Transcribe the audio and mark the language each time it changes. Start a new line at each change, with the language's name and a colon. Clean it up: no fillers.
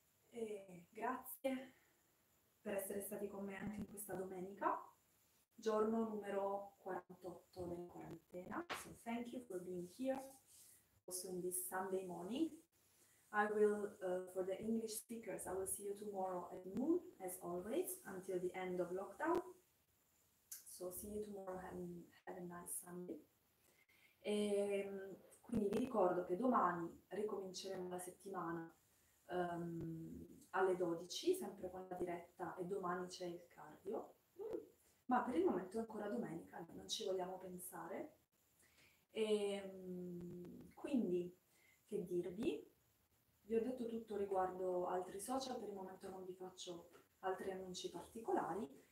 Italian: E grazie per essere stati con me anche in questa domenica. Giorno numero 48 della quarantena.
English: So thank you for being here also in this Sunday morning. I will for the English speakers, I will see you tomorrow at noon, as always, until the end of lockdown. So see you tomorrow and have a nice Sunday.
Italian: E, quindi vi ricordo che domani ricominceremo la settimana alle 12, sempre con la diretta, e domani c'è il cardio. Ma per il momento è ancora domenica, non ci vogliamo pensare. E, quindi, che dirvi? Vi ho detto tutto riguardo altri social, per il momento non vi faccio altri annunci particolari.